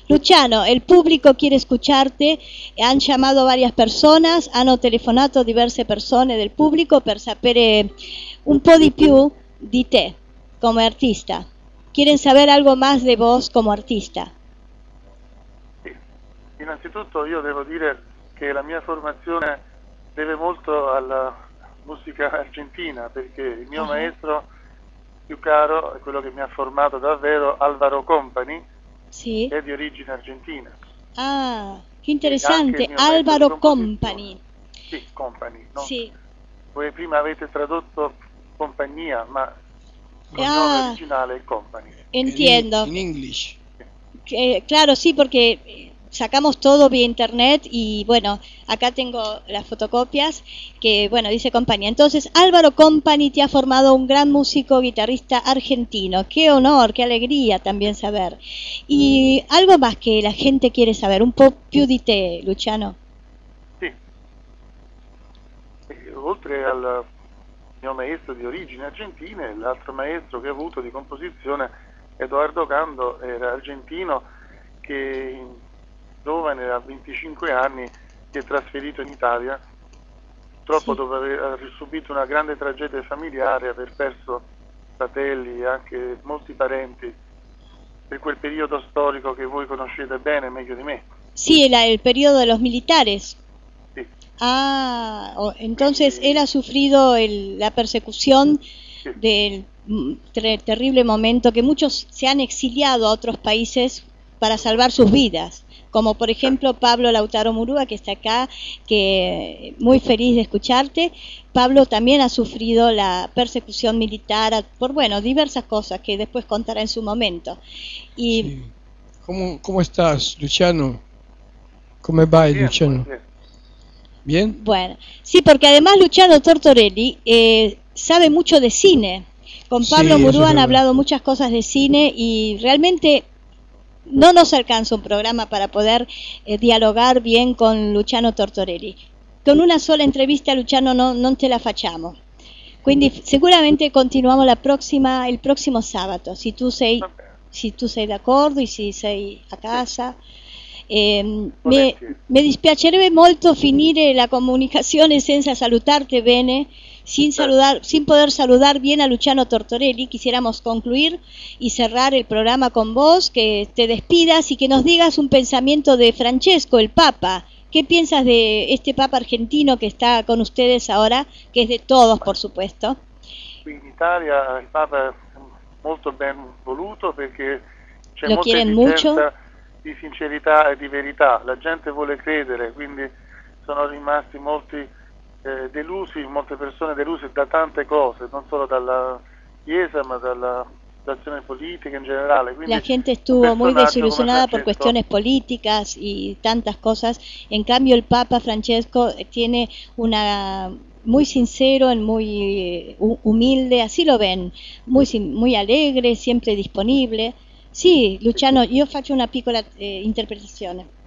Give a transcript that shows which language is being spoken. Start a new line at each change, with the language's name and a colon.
Spanish: Luciano, el público quiere escucharte, han llamado varias personas,
Italian: han telefonato diverse persone del público per sapere un po' di più di te
Spanish: como artista. ¿Quieren saber algo más de vos como artista? Sí.
Italian: Innanzitutto yo debo dire que la mia formazione deve molto alla musica argentina, perché il mio maestro più caro è quello che mi ha formato davvero, Alvaro Company,
Spanish: sí.
Italian: È di origine argentina. Ah, che interessante, Alvaro Company. Sì, Company, no? Sì. Voi prima avete tradotto compagnia, ma
Spanish: con nombre original es Company. Entiendo. En
English: English.
Spanish: Claro, sí, porque sacamos todo vía internet y bueno, acá tengo las fotocopias que, bueno, dice Company. Entonces, Álvaro Company te ha formado un gran músico guitarrista argentino. Qué honor, qué alegría también saber. Y algo más que la gente quiere saber, un poco
Italian: più di te,
Spanish: Luciano. Sí.
Italian: Oltre al mio maestro di origine argentina, l'altro maestro che ho avuto di composizione, Edoardo Cando, era argentino, che giovane a 25 anni si è trasferito in Italia purtroppo sì. dopo aver subito una grande tragedia familiare, aver perso fratelli e anche molti parenti per quel periodo storico che voi conoscete bene, meglio di me. Sì, era il periodo dei militari. Sì.
Spanish: Ah, entonces él ha sufrido la persecución sí. del terrible momento que muchos se han exiliado a otros países para salvar sus vidas, como por ejemplo Pablo Lautaro Murúa, que está acá, que muy feliz de escucharte. Pablo también ha sufrido la persecución militar por, bueno, diversas cosas que después contará en su momento. Y sí. ¿Cómo estás, Luciano? ¿Cómo va, Luciano? Bien. Bueno, sí, porque además Luciano Tortorelli sabe mucho de cine. Con Pablo sí, Murúa han hablado muchas cosas de cine y realmente no nos alcanza un programa para poder dialogar bien con Luciano Tortorelli.
Italian: Con una sola entrevista, Luciano, non te la facciamo. Quindi seguramente continuiamo il prossimo sabato, se tu sei d'accordo e se sei a casa. Mi dispiacerebbe molto finire la comunicazione senza salutarti bene,
Spanish: sin poder saludar bien
Italian: a Luciano Tortorelli.
Spanish: Quisiéramos concluir y cerrar el programa con vos, que te despidas y que nos digas un pensamiento de Francesco, el Papa. ¿Qué piensas de este Papa argentino que está con ustedes ahora, que es de todos, por supuesto? En Italia el Papa es muy bien voluto porque lo quieren mucho.
Italian: Di sincerità e di verità, la gente vuole credere, quindi sono rimasti molte persone deluse da tante cose, non solo dalla Chiesa ma dalla situazione politica in generale. Quindi la gente stuvo molto disillusionata per questioni politiche e tante cose, in cambio il Papa Francesco
Spanish: tiene una muy sincero, muy humilde, así lo ven, muy alegre, siempre disponible.
Italian: Sì, Luciano, io faccio una piccola interpretazione.